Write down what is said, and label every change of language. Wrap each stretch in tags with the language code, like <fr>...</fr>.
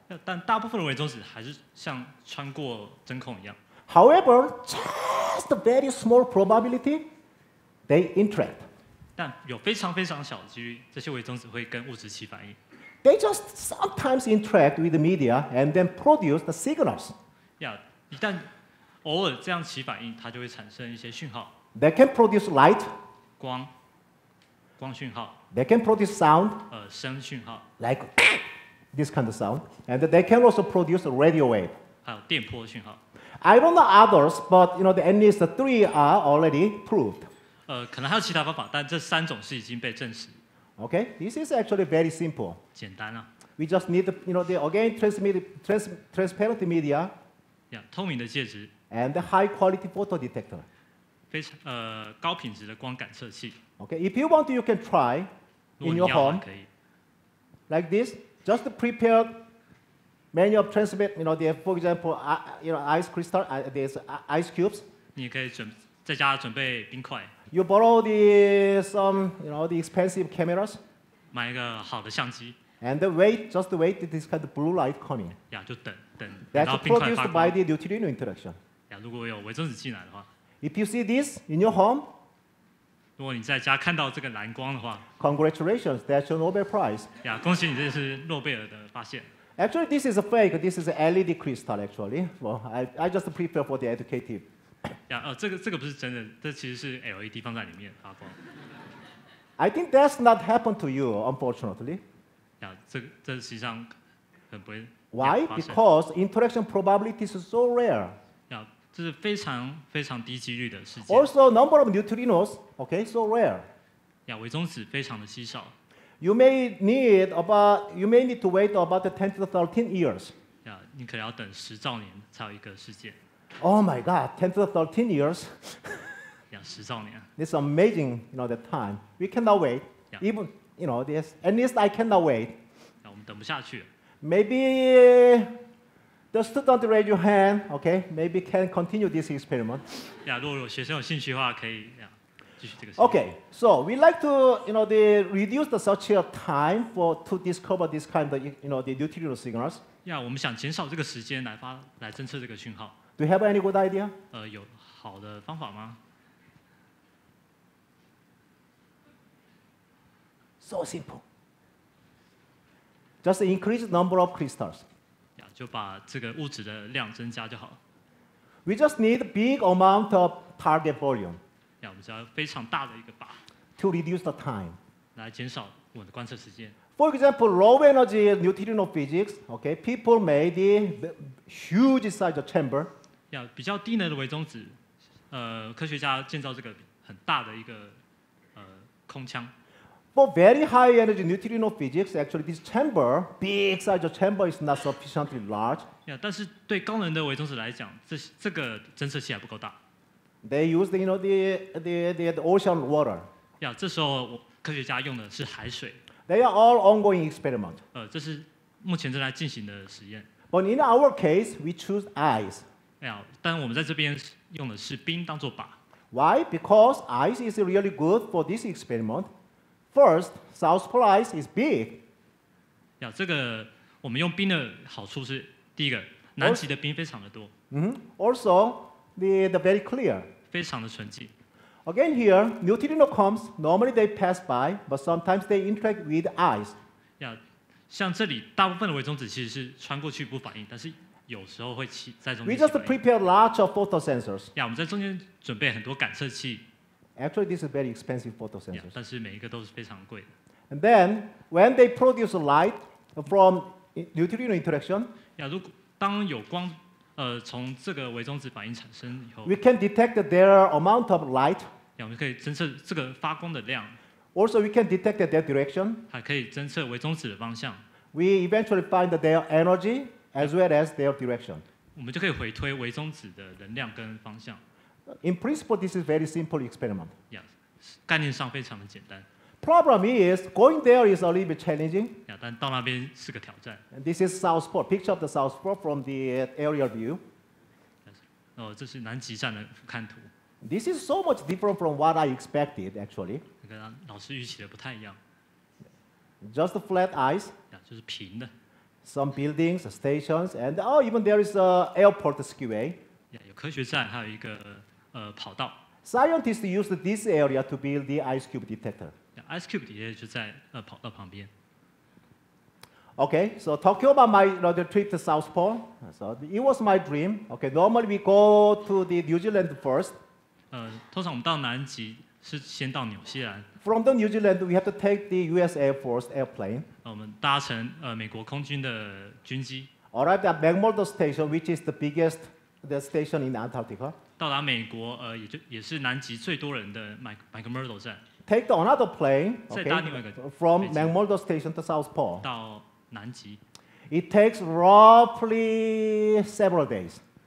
<zh>但大部分的微中子还是像穿过真空一样。</zh> <en>However, just a very small probability they interact.</en> <zh>但有非常非常小的几率，这些微中子会跟物质起反应。</zh> <en>They just sometimes interact with the media and then produce the signals.</en> <zh>Yeah, 一旦偶尔这样起反应，它就会产生一些讯号。</zh> <en>They can produce light.</en> <zh>光，光讯号。</zh> <en>They can produce sound.</en> <zh>声讯号。</zh> <en>Like this kind of sound, and they can also produce a radio wave.</en> <zh>还有电波讯号。</zh> <en>I don't know others, but you know the at least three are already proved.</en> <zh>可能还有其他方法，但这三种是已经被证实。</zh> <en>Okay, this is actually very simple.</en> <zh>简单啊。</zh> <en>We just need, you know, the again transparent media.</en> <zh>Yeah, 透明的介质。</zh> <en>And the high quality photo detector.</en> <zh>非常高品质的光感测器。</zh> <en>Okay, if you want, you can try in your home.</en> <zh>可以。</zh> <en>Like this, just prepare many of transmit, you know, the for example, you know, ice crystal, these ice cubes.</en> <zh>你可以准在家准备冰块。</zh> <en>You borrow the some, you know, the expensive cameras.</en> <zh>买一个好的相机。</zh> <en>And wait, just wait this kind of blue light coming.</en> <zh>呀，就等等。</zh> <en>That's produced by the neutrino interaction.</en> <zh>呀，如果有微中子进来的话。</zh> <en>If you see this in your home.</en> <zh>如果你在家看到这个蓝光的话。</zh> <en>Congratulations, that's your Nobel Prize.</en> <zh>呀，恭喜你，这是诺贝尔的发现。</zh> <en>Actually, this is a fake. This is an LED crystal. Actually, well, I just prepare for the educative.</en> <zh>呀，这个不是真的，这其实是 LED 放在里面发光。</zh> <en>I think that's not happened to you, unfortunately.</en> <zh>呀，这实际上很不会。</zh> <en>Why? Because interaction probability is so rare.</en> <zh>呀，这是非常非常低几率的事件。</zh> <en>Also, number of neutrinos, okay, so rare.</en> <zh>呀，微中子非常的稀少。</zh> <en>You may need to wait about 10 to 13 years.</en> <zh>Yeah, 你可能要等十兆年才有一个事件。</zh> <en>Oh my God, 10 to 13 years.</en> <zh>Yeah, 十兆年。</zh> <en>It's amazing, you know, the time. We cannot wait. Yeah. Even, you know, this. At least I cannot wait.</en> <zh>Yeah, 我们等不下去。</zh> <en>Maybe the student raise your hand, okay? Maybe can continue this experiment.</en> <zh>Yeah, 如果有学生有兴趣的话，可以。Yeah.</zh> <en>Okay, so we like to, you know, reduce the search time for to discover this kind of, you know, the neutrino signals.</en> <zh>Yeah, 我们想减少这个时间来发来侦测这个讯号。</zh> <en>Do you have any good idea?</en> <zh>有好的方法吗</zh> <en>？So simple. Just increase the number of crystals.</en> <zh>Yeah, 就把这个物质的量增加就好。</zh> <en>We just need a big amount of target volume.</en> <zh>Yeah, 我们只要非常大的一个靶</zh> <en>to reduce the time</en> <zh>来减少我们的观测时间</zh> <en>For example, low energy neutrino physics, okay, people made a huge size chamber.</en> <zh>Yeah, 比较低能的微中子，科学家建造这个很大的一个空腔</zh> <en>For very high energy neutrino physics, actually, this chamber, big size chamber, is not sufficiently large.</en> <zh>Yeah, 但是对高能的微中子来讲，这个侦测器还不够大。</zh> <en>They use, you know, the ocean water.</en> <zh>Yeah, 这时候科学家用的是海水。</zh> <en>They are all ongoing experiment.</en> <zh>这是目前正在进行的实验。</zh> <en>But in our case, we choose ice.</en> <zh>Yeah, 但我们在这边用的是冰当作靶。</zh> <en>Why? Because ice is really good for this experiment. First, South Pole ice is big.</en> <zh>Yeah, 这个我们用冰的好处是第一个，南极的冰非常的多。</zh> <en>Also. The very clear.</en> <zh>非常的纯净。</zh> <en>Again here, neutrino comes. Normally they pass by, but sometimes they interact with ice.</en> <zh>Yeah, 像这里大部分的微中子其实是穿过去不反应，但是有时候会起在中间。</zh> <en>We just prepare lots of photo sensors.</en> <zh>Yeah, 我们在中间准备很多感测器。</zh> <en>Actually, this is very expensive photo sensors.</en> <zh>Yeah, 但是每一个都是非常贵的。</zh> <en>And then when they produce light from neutrino interaction.</en> <zh>Yeah, 如果当有光。从这个微中子反应产生以后</zh> <en>，We can detect their amount of light.</en> <zh>我们可以侦测这个发光的量。</zh> <en>Also, we can detect their direction.</en> <zh>还可以侦测微中子的方向。</zh> <en>We eventually find their energy as well as their direction.</en> <zh>我们就可以回推微中子的能量跟方向。</zh> <en>In principle, this is very simple experiment.</en> <zh>概念上非常的简单。</zh> <en>Problem is going there is a little bit challenging.</en> <zh>Yeah, 但到那边是个挑战。</zh> <en>And this is South Pole. Picture of the South Pole from the aerial view.</en> <zh>这是南极站的俯瞰图。</zh> <en>This is so much different from what I expected, actually.</en> <zh>跟老师预期的不太一样。</zh> <en>Just flat ice.</en> <zh>Yeah, 就是平的。</zh> <en>Some buildings, stations, and even there is an airport skyway.</en> <zh>Yeah, 有科学站，还有一个跑道。</zh> <en>Scientists used this area to build the Icecube detector.</en> <zh>Yeah, Icecube detector 就在旁边。</zh> <en>Okay, so talking about my trip to South Pole, so it was my dream. Okay, normally we go to the New Zealand first.</en> <zh>通常我们到南极是先到纽西兰。</zh> <en>From the New Zealand, we have to take the U.S. Air Force airplane.</en> <zh>我们搭乘美国空军的军机。</zh> <en>Arrived at McMurdo Station, which is the biggest the station in Antarctica.</en> <zh>到达美国也是南极最多人的McMurdo站。</zh> <en>Take the another plane.</en> <zh>Okay, 再搭另外一个。</zh> <en>From McMurdo Station to South Pole.</en> <zh>到南极。</zh> <en>It takes roughly several days.</en>